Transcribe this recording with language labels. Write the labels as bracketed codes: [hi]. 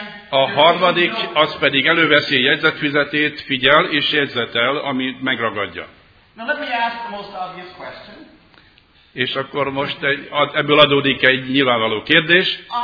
[hu] A harmadik, az pedig előveszi a jegyzetfüzetét, figyel és jegyzetel, amit megragadja. [en] Now let me ask the most obvious question. [hu] És akkor most ebből adódik egy nyilvánvaló kérdés.